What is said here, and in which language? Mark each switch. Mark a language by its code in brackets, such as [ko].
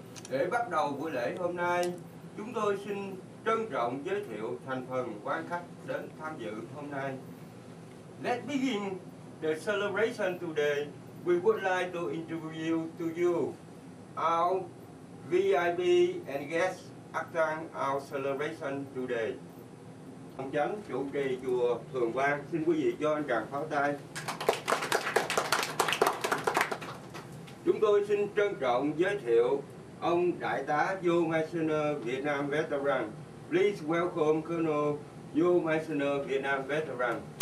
[vi] Để bắt đầu buổi lễ hôm nay, chúng tôi xin trân trọng giới thiệu thành phần quan khách đến tham dự hôm nay. [en] Let's begin the celebration today. We would like to introduce to you our VIP and guests attend our celebration today. [vi] Ông Chánh chủ trì chùa Thường Quang, xin quý vị cho anh tràng pháo tay. Chúng tôi xin trân trọng giới thiệu ông Đại tá Vô Mai Sơn Việt Nam Veteran. [en] Please welcome Colonel Vô Mai Sơn Việt Nam Veteran.